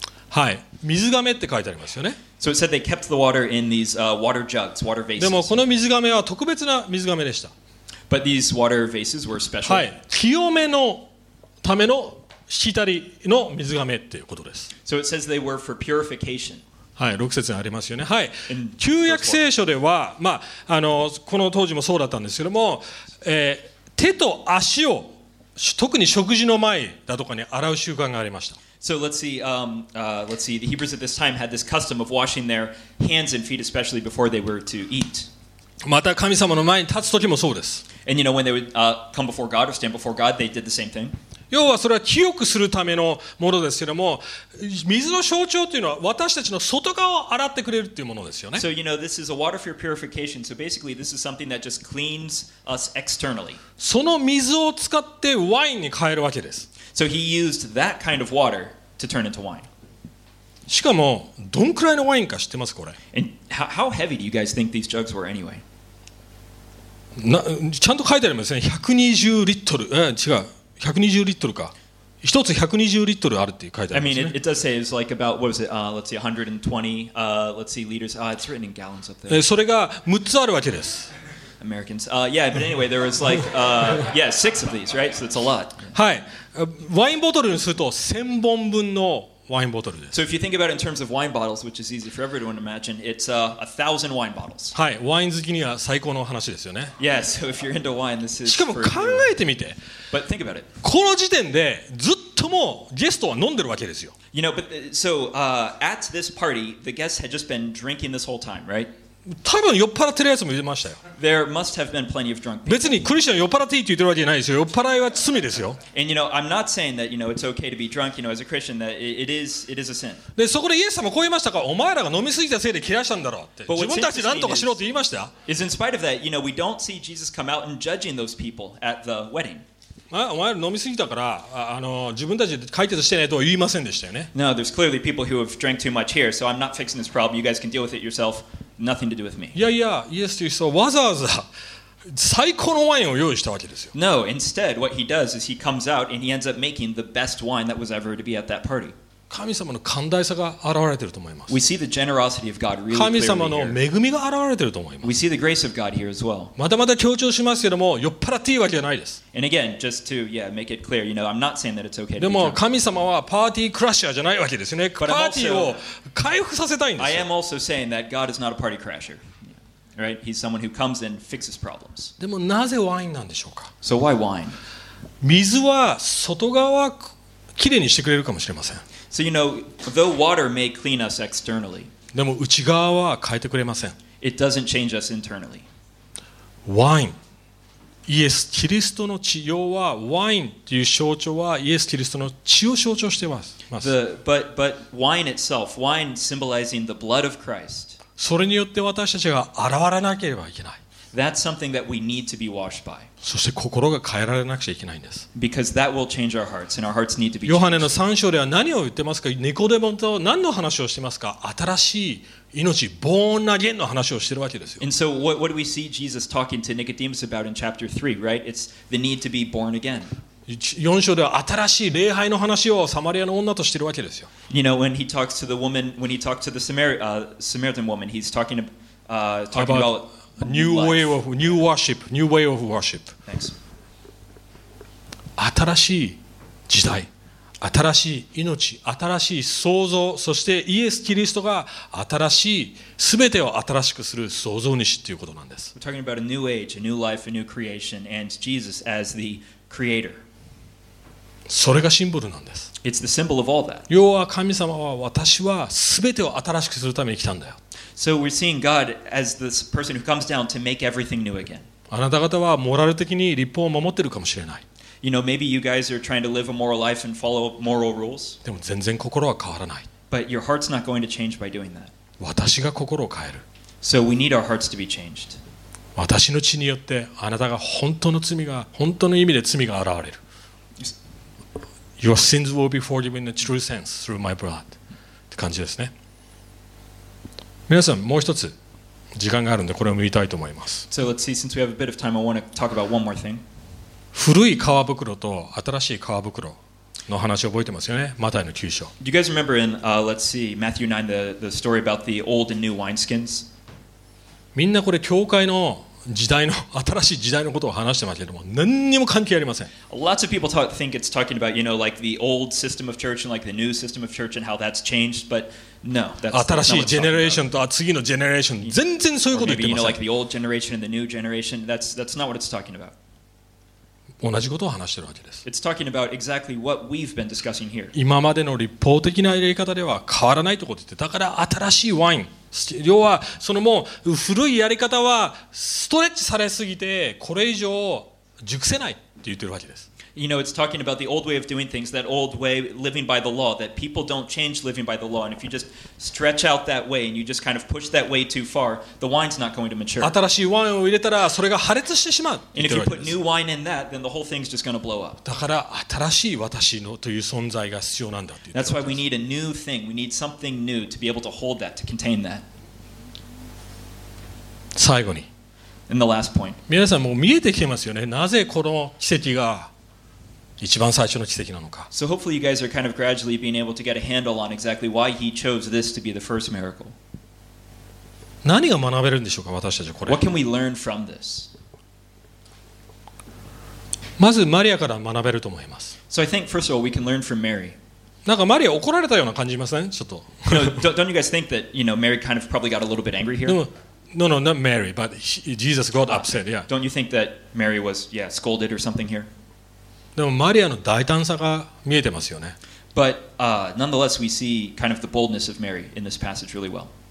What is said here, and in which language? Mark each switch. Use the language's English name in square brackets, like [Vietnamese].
[Japanese] はい、水がめって書いてありますよね。 [English] So it said they kept the water in these, water jugs, water vases. [Japanese] でもこの水がめは特別な水がめでした。 [English] But these water vases were special. [Japanese] はい、清めのためのしきたりの水がめっていうことです。 [English] So it says they were for purification. [Japanese] はい、6節にありますよね。はい、旧約聖書では、まあ、あのこの当時もそうだったんですけども、手と足を特に食事の前だとかに洗う習慣がありました。 [English] So let's see. Let's see. The Hebrews at this time had this custom of washing their hands and feet, especially before they were to eat. [Japanese] また神様の前に立つ時もそうです。 [English] And you know when they would come before God or stand before God, they did the same thing. [Japanese] 要はそれは清くするためのものですけども、水の象徴というのは私たちの外側を洗ってくれるっていうものですよね。 [English] So you know this is a water for purification. So basically, this is something that just cleans us externally. [Japanese] その水を使ってワインに変えるわけです。 [English] So he used that kind of water to turn into wine. [Japanese] しかもどんくらいのワインか知ってますこれ。 [English] And how heavy do you guys think these jugs were anyway? [Japanese] な、ちゃんと書いてありますね。120リットル、違う、120リットルか。一つ120リットルあるって書いてありますね。 [English] I mean, it does say it's like about what was it? Let's see, 120, let's see, liters. It's written in gallons up there. [Japanese] それが6つあるわけです。 [English] Americans. Yeah, but anyway, there was like, yeah, six of these, right? So that's a lot. [Japanese] はい。ワインボトルにすると千本分のワインボトルです。 [English] So if you think about it in terms of wine bottles, which is easy for everyone to imagine, it's a thousand wine bottles. [Japanese] はい。ワイン好きには最高の話ですよね。 [English] Yes, yeah, so if you're into wine, this is [Japanese] しかも考えてみて。 [English] But think about it. [Japanese] この時点でずっともうゲストは飲んでるわけですよ。 [English] You know, but so at this party, the guests had just been drinking this whole time, right? [Japanese] 多分酔っ払ってるやつもいましたよ。 [English] There must have been plenty of drunk people. [Japanese] 別にクリスチャン酔っ払っていいって言ってるわけじゃないですよ。酔っ払いは罪ですよ。 [English] And you know, I'm not saying that, you know, it's okay to be drunk, you know, as a Christian, that it is a sin. [Japanese] で、そこでイエス様こう言いましたか、お前らが飲みすぎたせいで切らしたんだろうって。 [English] But、 [Japanese] 自分たち何とかしろって言いました。 [English] Is in spite of that, you know, we don't see Jesus come out and judging those people at the wedding. [Japanese] まあ、お前ら飲みすぎたから、あの自分たちで解決してないとは言いませんでしたよね。 [English] No, there's clearly people who have drank too much here, so I'm not fixing this problem. You guys can deal with it yourself. Nothing to do with me. [Japanese] いやいや、イエスという人はわざわざ最高のワインを用意したわけですよ。 [English] No, instead, what he does is he comes out and he ends up making the best wine that was ever to be at that party. [Japanese] 神様の寛大さが現れてると思います。 [English] We see the generosity of God really clearly here. [Japanese] 神様の恵みが現れてると思います。 [English] We see the grace of God here as well. [Japanese] まだまだ強調しますけども、酔っ払っていいわけじゃないです。 [English] And again, just to yeah, make it clear, you know, I'm not saying that it's okay. [Japanese] でも神様はパーティークラッシャーじゃないわけですよね。パーティーを回復させたいんですよ。 [English] I am also saying that God is not a party crasher, right? He's someone who comes and fixes problems. [Japanese] でもなぜワインなんでしょうか。 [English] So why wine? [Japanese] 水は外側をきれいにしてくれるかもしれません。 [English] So you know, though water may clean us externally, [Japanese] でも内側は変えてくれません。 [English] It doesn't change us internally. [Japanese] ワイン、イエス・キリストの血、要はワインという象徴はイエス・キリストの血を象徴しています。 [English] But wine itself, wine symbolizing the blood of Christ. [Japanese] それによって私たちが洗われなければいけない。 [English] That's something that we need to be washed by. [Japanese] そして心が変えられなくちゃいけないんです。 [English] Because that will change our hearts, and our hearts need to be changed. [Japanese] ヨハネの3章では何を言ってますか？ニコデモと何の話をしてますか？新しい命、 [English] born again [Japanese] の話をしてるわけですよ。 [English] And so what do we see Jesus talking to Nicodemus about in chapter 3, right? It's the need to be born again. [Japanese] 4章では新しい礼拝の話をサマリアの女としているわけですよ。 [English] You know, when he talks to the woman, when he talks to the Samaritan woman, he's talking, talking about new way of new worship, new way of worship. Thanks. [Japanese] 新しい時代、新しい命、新しい創造、そしてイエス・キリストが新しい、すべてを新しくする創造主ということなんです。 [English] We're talking about a new age, a new life, a new creation, and Jesus as the creator. [Japanese] それがシンボルなんです。 [English] It's the symbol of all that. [Japanese] 要は神様は私はすべてを新しくするために来たんだよ。 [English] So we're seeing God as this person who comes down to make everything new again. [Japanese] あなた方はモラル的に律法を守ってるかもしれない。 [English] You know, maybe you guys are trying to live a moral life and follow moral rules. [Japanese] でも全然心は変わらない。 [English] But your heart's not going to change by doing that. [Japanese] 私が心を変える。 [English] So we need our hearts to be changed. [Japanese] 私の血によってあなたが本当の罪が、本当の意味で罪が現れる。 [English] Your sins will be forgiven in the true sense through my blood. [Japanese] って感じですね。皆さんもう一つ時間があるんでこれを見たいと思います。 [English] So let's see, since we have a bit of time, I want to talk about one more thing. [Japanese] 古い革袋と新しい革袋の話を覚えてますよね。マタイの9章。 [English] Do you guys remember in, let's see, Matthew 9, the story about the old and new wineskins? [Japanese] みんなこれ教会の時代の新しい時代のことを話してますけども、何にも関係ありません。 [English] Lots of people think it's talking about, you know, like the old system of church and like the new system of church and how that's changed, but no, that's not what it's talking about. [Japanese] 新しいジェネレーションと次のジェネレーション、全然そういうこと言ってません。 [English] You know, like the old generation and the new generation, that's not what it's talking about. [Japanese] 同じことを話しているわけです。 [English] It's talking about exactly what we've been discussing here. [Japanese] 今までの立法的な入れ方では変わらないということを言って、だから新しいワイン、要はそのもう古いやり方はストレッチされすぎて、これ以上熟せないって言ってるわけです。 [English] You know, it's talking about the old way of doing things, that old way living by the law, that people don't change living by the law. And if you just stretch out that way and you just kind of push that way too far, the wine's not going to mature. [Japanese] 新しいワインを入れたらそれが破裂してしまう。 [English] And if you put new wine in that, then the whole thing's just going to blow up. [Japanese] だから新しい私のという存在が必要なんだって。 [English] That's why we need a new thing. We need something new to be able to hold that, to contain that. [Japanese] 最後に。 [English] And the last point. [Japanese] 皆さんもう見えてきてますよね。なぜこの奇跡が一番最初の奇跡なのか。 [English] So hopefully you guys are kind of gradually being able to get a handle on exactly why he chose this to be the first miracle. [Japanese] 何が学べるんでしょうか、私たちこれ。 [English] What can we learn from this? [Japanese] まずマリアから学べると思います。 [English] So I think first of all we can learn from Mary. [Japanese] なんかマリア怒られたような感じません？ちょっと。 [English] don't you guys think that you know Mary kind of probably got a little bit angry here? No, not Mary, but Jesus got upset. Yeah. Don't you think that Mary was scolded or something here? [Japanese] でもマリアの大胆さが見えてますよね。 [English] But, nonetheless, we see kind of the boldness of Mary in this passage really well.